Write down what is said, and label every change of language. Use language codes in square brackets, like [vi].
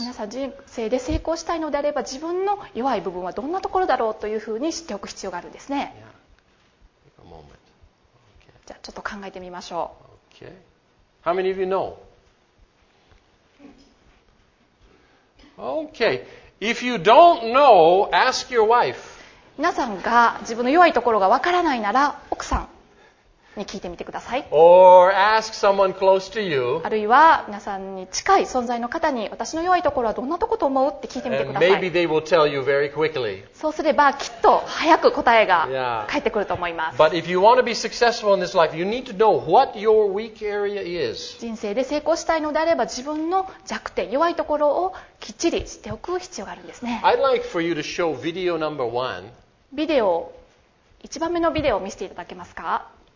[ja] 皆さん人生で成功したいのであれば、自分の弱い部分はどんなところだろうというふうに知っておく必要があるんですね。 [en] Yeah. Take a moment. Okay. [ja] じゃあちょっと考えてみましょう。 [en] Okay. How many of you know? Okay. If you don't know, ask your wife. [ja] 皆さんが自分の弱いところがわからないなら奥さんに聞いてみてください。 [en] Or ask someone close to you. [ja] あるいは皆さんに近い存在の方に私の弱いところはどんなとこと思うって聞いてみてください。 [en] And maybe they will tell you very quickly. [ja] そうすればきっと早く答えが返ってくると思います。 [en] Yeah. But if you want to be successful in this life, you need to know what your weak area is. [ja] 人生で成功したいのであれば自分の弱点、弱いところをきっちり知っておく必要があるんですね。 [en] I'd like for you to show video number one. [ja] ビデオ、一番目のビデオを見せていただけますか